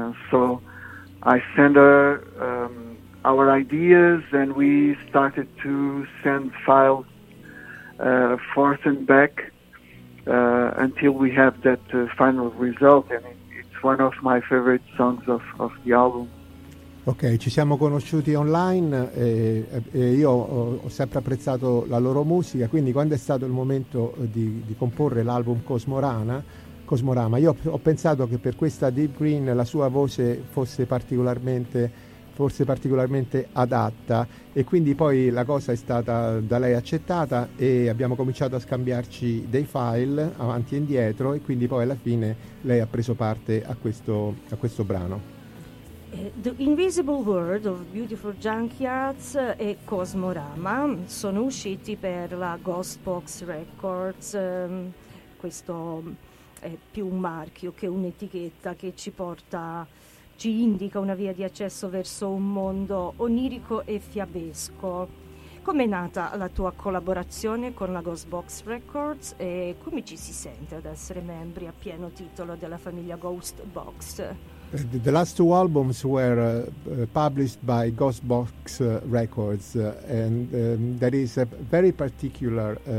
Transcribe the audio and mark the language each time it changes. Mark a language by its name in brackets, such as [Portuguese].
[English] So I sent her our ideas, and we started to send files forth and back until we have that final result. And it's one of my favorite songs of the album. [Italian] Ok, ci siamo conosciuti online e io ho sempre apprezzato la loro musica, quindi quando è stato il momento di comporre l'album Cosmorama, io ho pensato che per questa Deep Green la sua voce fosse particolarmente adatta, e quindi poi la cosa è stata da lei accettata e abbiamo cominciato a scambiarci dei file avanti e indietro, e quindi poi alla fine lei ha preso parte a questo brano. The Invisible World of Beautiful Junkyards e Cosmorama sono usciti per la Ghost Box Records, questo è più un marchio che un'etichetta che ci indica una via di accesso verso un mondo onirico e fiabesco. Com'è nata la tua collaborazione con la Ghost Box Records e come ci si sente ad essere membri a pieno titolo della famiglia Ghost Box? [English] The last two albums were published by Ghost Box Records, and that is a very particular.